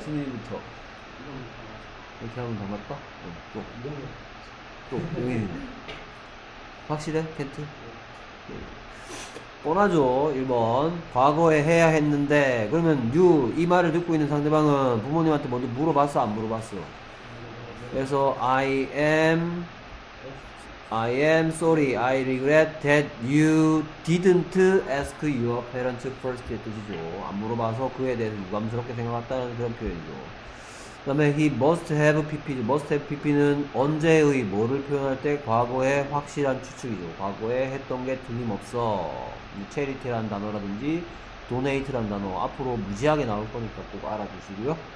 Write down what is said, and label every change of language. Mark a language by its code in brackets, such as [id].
[ko] 순위부터. 이렇게 하면 다 맞다? 응, 또. 또, 여기 확실해? 텐트? 뻔하죠. 1번 과거에 해야 했는데. 그러면 you 이 말을 듣고 있는 상대방은 부모님한테 먼저 물어봤어 안 물어봤어? 그래서 [en] I am sorry, I regret that you didn't ask your parents first [ko] 의 뜻이죠. 안 물어봐서 그에 대해서 유감스럽게 생각했다는 그런 표현이죠. 그 다음에 he must have pp죠. must have pp는 언제의 뭐를 표현할 때 과거에 확실한 추측이죠. 과거에 했던 게 틀림없어. 체리티라는 단어라든지 도네이트라는 단어 앞으로 무지하게 나올 거니까 꼭 알아주시고요.